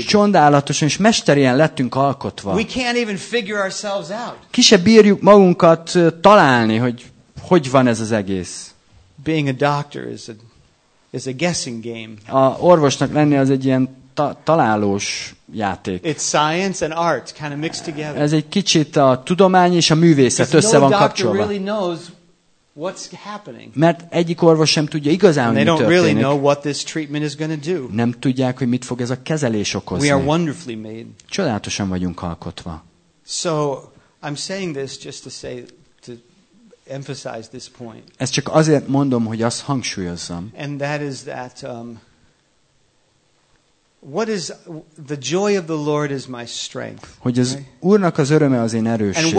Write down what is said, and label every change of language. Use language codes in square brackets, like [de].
[hu] Csodálatosan és mesterien lettünk alkotva. [en] We can't even figure ourselves out. [hu] Ki se bírjuk magunkat találni, hogy van ez az egész. [en] Being a doctor is a guessing game. [hu] A orvosnak lenni az egy ilyen találós játék. [en] It's science and art kind of mixed together. [hu] Ez egy kicsit a tudomány és a művészet össze van kapcsolva. [en] Really knows what's happening. [hu] Mert egyik orvos sem tudja igazán, [en] and [hu] mi [en] they don't [hu] történik. [en] Really know what this treatment is going to do. [hu] Nem tudják, hogy mit fog ez a kezelés okozni. [en] We are wonderfully made. [hu] Csodálatosan vagyunk alkotva. [en] So I'm saying this just to say to emphasize this point. [hu] Ezt csak azért mondom, hogy azt hangsúlyozzam. [en] And that is that What is the joy of the Lord is my strength. [hu] Hogy az Úrnak az öröme az én erősségem.